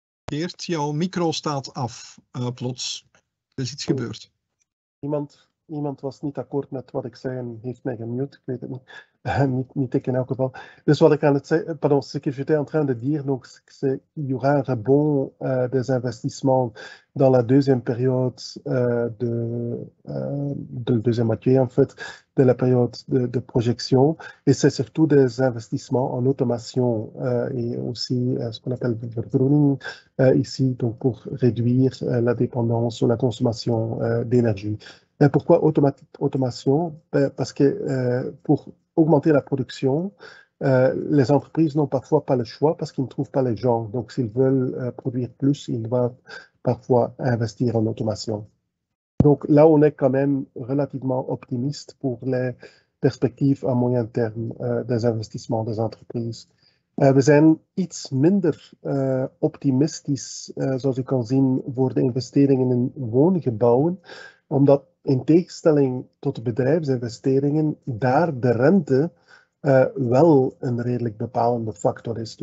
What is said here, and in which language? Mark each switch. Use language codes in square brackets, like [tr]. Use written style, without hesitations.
[nl] Geert, jouw micro staat af, plots. Er is iets gebeurd. Iemand was niet akkoord met wat ik zei en heeft mij gemute. Ik weet het niet. Niet ik in elk geval. Dus wat ik aan het zeggen, [fr] pardon, ce que j'étais en train de dire, donc, c'est qu'il y aura un rebond des investissements dans la deuxième période de la deuxième moitié, en fait, de la période de projection. Et c'est surtout des investissements en automation et aussi ce qu'on appelle le pruning ici, donc pour réduire la dépendance ou la consommation d'énergie. Pourquoi automation? Parce que pour augmenter la production, les entreprises n'ont parfois pas le choix parce qu'ils ne trouvent pas les gens. Donc, s'ils veulent produire plus, ils doivent parfois investir en automation. Donc, là, on est quand même relativement optimiste pour les perspectives à moyen terme des investissements des entreprises. [nl] We zijn iets minder optimistisch, zoals u kan zien, voor de investeringen in woongebouwen, omdat in tegenstelling tot de bedrijfsinvesteringen, daar de rente wel een redelijk bepalende factor is.